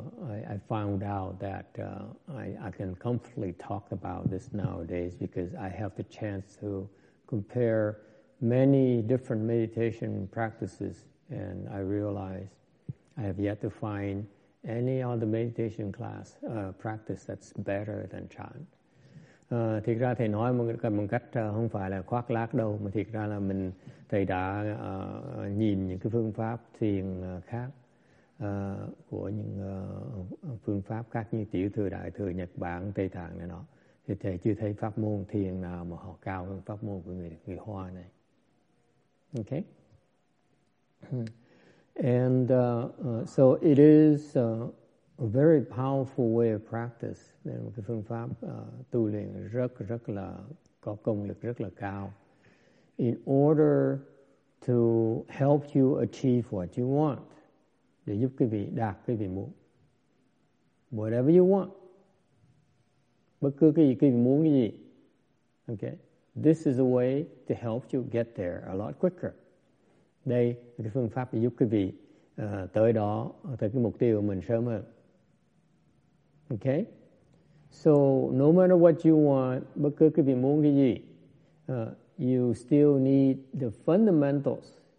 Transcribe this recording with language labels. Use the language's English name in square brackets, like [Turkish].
[English] I found out that I can comfortably talk about this nowadays because I have the chance to compare many different meditation practices, and I realize I have yet to find any other meditation class practice that's better than Chan. [Vietnamese] Thực ra thầy nói một cách không phải là khoác lác đâu, mà thực ra là mình thầy đã nhìn những cái phương pháp thiền khác. Của những phương pháp khác như tiểu thừa, đại thừa, Nhật Bản, Tây Tạng này nọ, thì thầy chưa thấy pháp môn thiền nào mà họ cao hơn pháp môn của người Hoa này. [English] Okay. And so it is a very powerful way of practice. [Vietnamese] Đây là một cái phương pháp tu luyện rất rất là có công lực, rất là cao. [English] In order to help you achieve what you want. [Vietnamese] Để giúp quý vị đạt cái gì muốn. [English] Whatever you want. [Vietnamese] Bất cứ cái gì quý vị muốn cái gì. [English] Okay. This is a way to help you get there a lot quicker. [Vietnamese] Đây là cái phương pháp để giúp quý vị tới đó, tới cái mục tiêu của mình sớm hơn. Okay. [English] So no matter what you want, [Vietnamese] bất cứ quý vị muốn cái gì, [English] you still need the fundamentals.